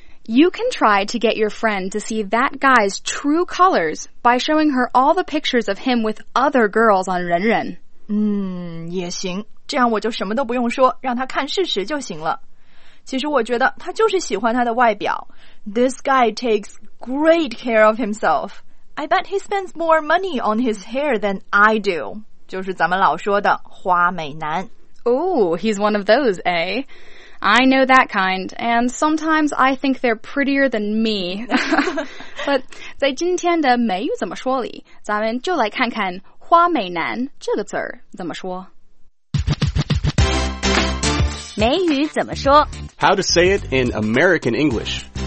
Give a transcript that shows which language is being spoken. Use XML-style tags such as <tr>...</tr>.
<en>You can try to get your friend to see that guy's true colors by showing her all the pictures of him with other girls on 人人。</en> <zh>也行，这样我就什么都不用说，让他看事实就行了。其实我觉得他就是喜欢他的外表。</zh> <en>This guy takes great care of himself. I bet he spends more money on his hair than I do.</en> <zh>就是咱们老说的花美男。</zh> <en>Oh, he's one of those, eh? I know that kind, and sometimes I think they're prettier than me. But</en> <zh>在今天的美语怎么说里，咱们就来看看花美男这个词儿怎么说。美语怎么说</zh> <en>？How to say it in American English?</en>